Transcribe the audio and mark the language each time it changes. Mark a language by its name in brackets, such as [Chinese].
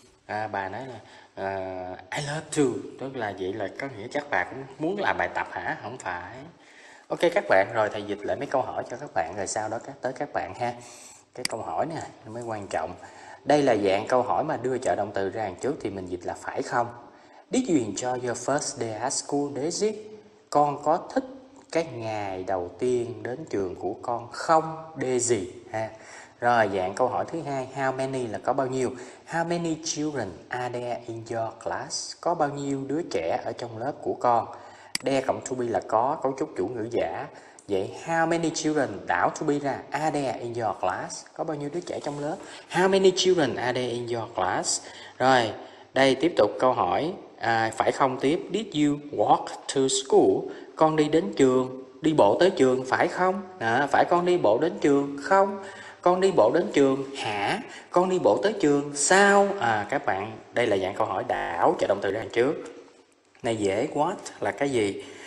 [Vietnamese] À, bà nói là [English] I love to, [Vietnamese] tức là vậy là có nghĩa chắc bà cũng muốn làm bài tập hả? Không phải. Ok các bạn, rồi thầy dịch lại mấy câu hỏi cho các bạn rồi sau đó các tới các bạn ha. Cái câu hỏi này nó mới quan trọng. Đây là dạng câu hỏi mà đưa trợ động từ ra hàng trước thì mình dịch là phải không? [English] Did you enjoy your first day at school, Daisy? [Vietnamese] Con có thích cái ngày đầu tiên đến trường của con không, Daisy? Ha. Rồi dạng câu hỏi thứ hai, [English] how many [Vietnamese] là có bao nhiêu? [English] How many children are there in your class? [Vietnamese] Có bao nhiêu đứa trẻ ở trong lớp của con? There cộng to be là có, cấu trúc chủ ngữ giả. Vậy [English] how many children, [Vietnamese] đảo [English] to be [Vietnamese] ra, [English] are there in your class? [Vietnamese] Có bao nhiêu đứa trẻ trong lớp? [English] How many children are there in your class? [Vietnamese] Rồi, đây tiếp tục câu hỏi, phải không tiếp, [English] did you walk to school? [Vietnamese] Con đi đến trường, đi bộ tới trường, phải không? À, phải con đi bộ đến trường, không? Con đi bộ đến trường hả? Con đi bộ tới trường sao? À các bạn, đây là dạng câu hỏi đảo trở động từ đằng trước. Này dễ, what là cái gì?